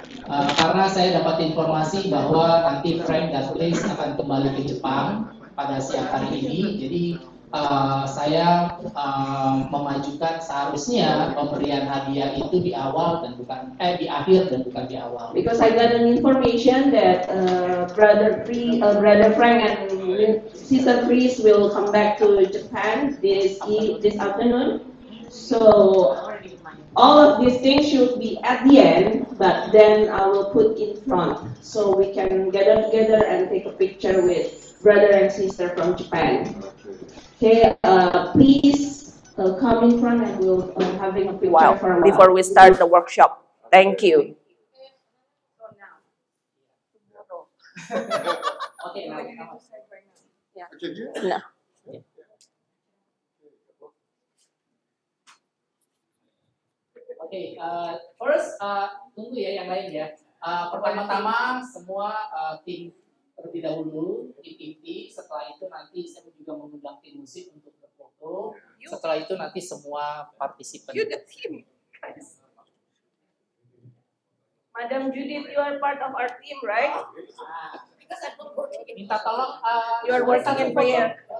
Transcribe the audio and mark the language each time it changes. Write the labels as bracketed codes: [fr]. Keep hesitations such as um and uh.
[id] Uh, karena saya dapat informasi bahwa nanti Frank dan Chris akan kembali ke Jepang pada siang hari ini, jadi Uh, saya uh, memajukan seharusnya pemberian hadiah itu di awal dan bukan eh di akhir dan bukan di awal. [en] Because I got an information that uh, brother uh, brother Frank and sister Chris will come back to Japan this e this afternoon. So all of these things should be at the end, but then I will put in front so we can gather together and take a picture with brother and sister from Japan. Okay, uh, please uh, come in front and we'll have a picture wow. while. Before we room. start the workshop. Thank okay. you. no. Oke, okay, okay, uh, first [id] uh, tunggu ya yang lain ya. Uh, per pertama-tama semua uh, tim terlebih dahulu di TV, setelah itu nanti saya juga mengundang tim musik untuk berfoto. Setelah itu nanti semua partisipan. [en] You the team, guys. Madam Judith, you are part of our team, right? Ah. because I'm working. [id] Minta tolong, [en] uh, you are working in prayer.